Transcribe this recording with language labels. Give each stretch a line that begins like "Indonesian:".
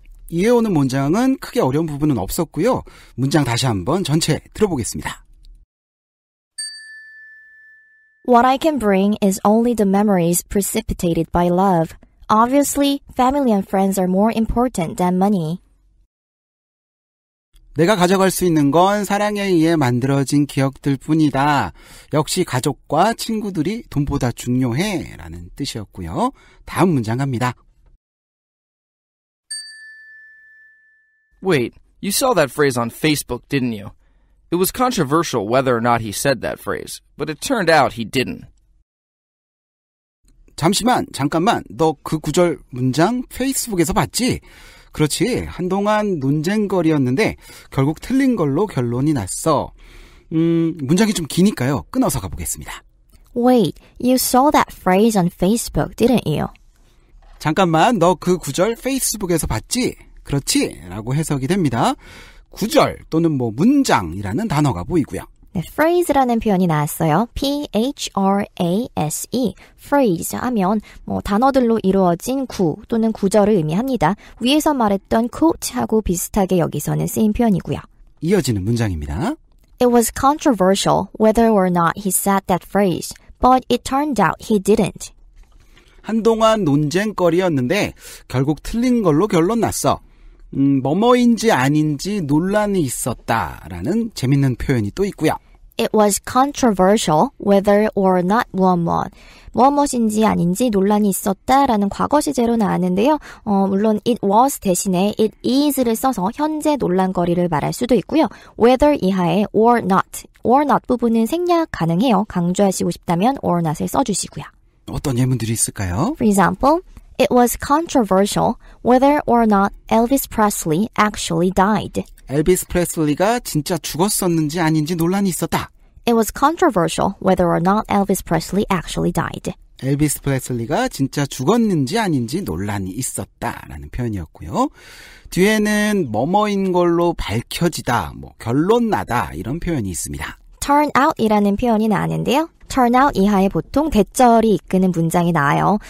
Korean: 이에 오는 문장은 크게 어려운 부분은 없었고요. 문장 다시 한번 전체 들어보겠습니다.
English: What I can bring is only the memories precipitated by love. Obviously, family and friends are more important than money.
Korean: 내가 가져갈 수 있는 건 사랑에 의해 만들어진 기억들 뿐이다. 역시 가족과 친구들이 돈보다 중요해 라는 뜻이었고요. 다음 문장 갑니다.
English: Wait, you saw that phrase on Facebook, didn't you? It was controversial whether or not he said that phrase, but it turned out he didn't.
Korean: 잠시만, 잠깐만, 너 그 구절 문장 페이스북에서 봤지? 그렇지, 한동안 논쟁거리였는데 결국 틀린 걸로 결론이 났어. 문장이 좀 기니까요, 끊어서 가보겠습니다.
English: Wait, you saw that phrase on Facebook, didn't you?
Korean: 잠깐만, 너 그 구절 페이스북에서 봤지? 그렇지? 라고 해석이 됩니다. 구절 또는 뭐 문장이라는 단어가 보이고요. 네, phrase라는 표현이 나왔어요. P-H-R-A-S-E phrase 하면 뭐 단어들로 이루어진 구 또는 구절을 의미합니다. 위에서 말했던 quote하고 비슷하게 여기서는 쓰인 표현이고요. 이어지는 문장입니다.
English: It was controversial whether or not he said that phrase, but it turned out he didn't.
Korean: 한동안 논쟁거리였는데 결국 틀린 걸로 결론 났어. 뭐뭐인지 아닌지 논란이 있었다라는 재밌는 표현이 또 있고요.
English: It was controversial whether or not 무엇무엇.
Korean: 무엇무엇인지 아닌지 논란이 있었다라는 과거시제로 나왔는데요. 물론 it was 대신에 it is를 써서 현재 논란거리를 말할 수도 있고요. whether 이하에 or not. or not 부분은 생략 가능해요. 강조하시고 싶다면 or not을 써주시고요. 어떤 예문들이 있을까요?
English: For example, it was controversial whether or not Elvis Presley actually died.
Korean: 엘비스 프레슬리가 진짜 죽었었는지 아닌지 논란이 있었다.
English: It was controversial whether or not Elvis Presley actually died.
Korean: 엘비스 프레슬리가 진짜 죽었는지 아닌지 논란이 있었다라는 표현이었고요. 뒤에는 뭐뭐인 걸로 밝혀지다, 뭐 결론 나다 이런 표현이 있습니다. Turn out이라는 표현이 나왔는데요. Turn out 이하에 보통 대절이 이끄는 문장이 나와요.